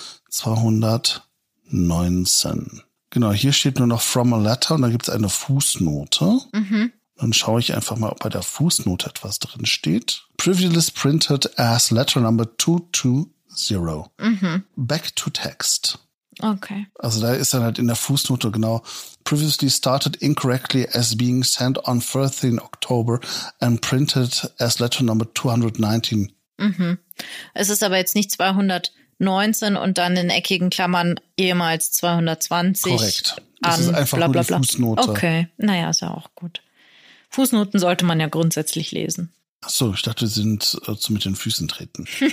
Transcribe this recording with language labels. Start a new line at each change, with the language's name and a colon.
German: 219. Genau, hier steht nur noch From a Letter und da gibt es eine Fußnote. Mhm. Dann schaue ich einfach mal, ob bei der Fußnote etwas drin steht.
English: Previously printed as letter number 220. Mhm. Back to text.
German: Okay. Also da ist dann halt in der Fußnote genau.
English: Previously started incorrectly as being sent on 13 October and printed as letter number 219. Mhm.
German: Es ist aber jetzt nicht 219 und dann in eckigen Klammern ehemals 220. Korrekt. Das ist einfach nur die Fußnote. Okay, naja, ist ja auch gut. Fußnoten sollte man ja grundsätzlich lesen. Ach so, ich dachte, sie sind zu mit den Füßen treten.